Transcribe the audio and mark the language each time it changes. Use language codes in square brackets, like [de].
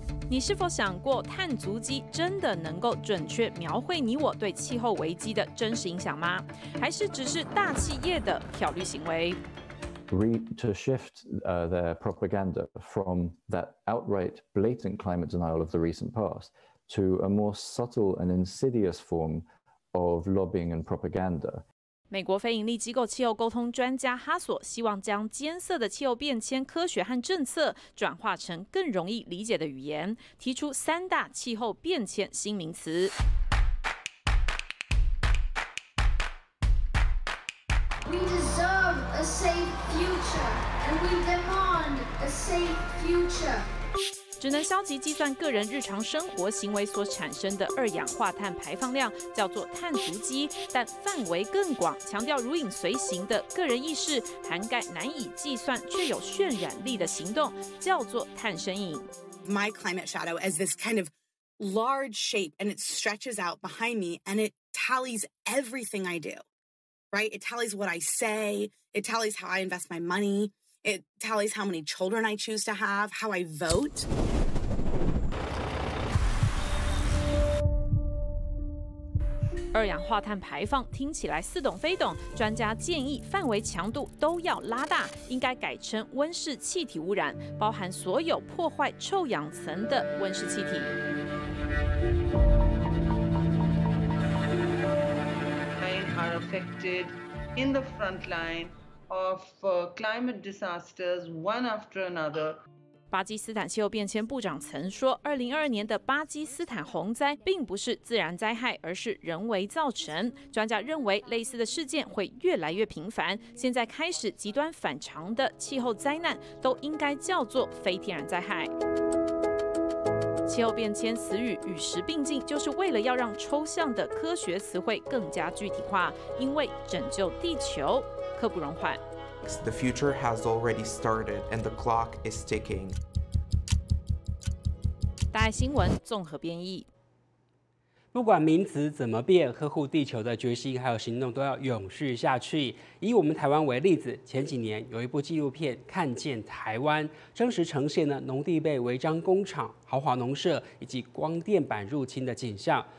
[zh] 你是否想过碳足迹真的能够准确描绘你我对气候危机的真实影响吗？还是只是大企业的漂绿行为？ [en] To shift their propaganda from that outright blatant climate denial of the recent past to a more subtle and insidious form of lobbying and propaganda. [zh] 美国非营利机构气候沟通专家哈索希望将艰涩的气候变迁科学和政策转化成更容易理解的语言，提出3大气候变迁新名词。 [en] We deserve a safe future, and we demand a safe future. [zh] 只能消极计算个人日常生活行为所产生的二氧化碳排放量，叫做碳足迹，但范围更广，强调如影随形的个人意识，涵盖难以计算却有渲染力的行动，叫做碳身影。 [en] My climate shadow is this kind of large shape and it stretches out behind me and it tallies everything I do, right? It tallies what I say. It tallies how I invest my money. It tallies how many children I choose to have, how I vote. [zh] 二氧化碳排放听起来似懂非懂，专家建议范围强度都要拉大，应该改成温室气体污染，包含所有破坏臭氧层的温室气体。 [en] They are affected in the front line of climate disasters one after another. [zh] 巴基斯坦气候变迁部长曾说，2022年的巴基斯坦洪灾并不是自然灾害，而是人为造成。专家认为，类似的事件会越来越频繁。现在开始极端反常的气候灾难，都应该叫做非天然灾害。气候变迁词语与时并进，就是为了要让抽象的科学词汇更加具体化，因为拯救地球刻不容缓。 [en] The future has already started, and the clock is ticking. [zh] 大爱新闻综合编译。不管名词怎么变，呵护地球的决心还有行动都要永续下去。以我们台湾为例子，前几年有一部纪录片《看见台湾》，真实呈现了农地被违章工厂、豪华农舍以及光电板入侵的景象。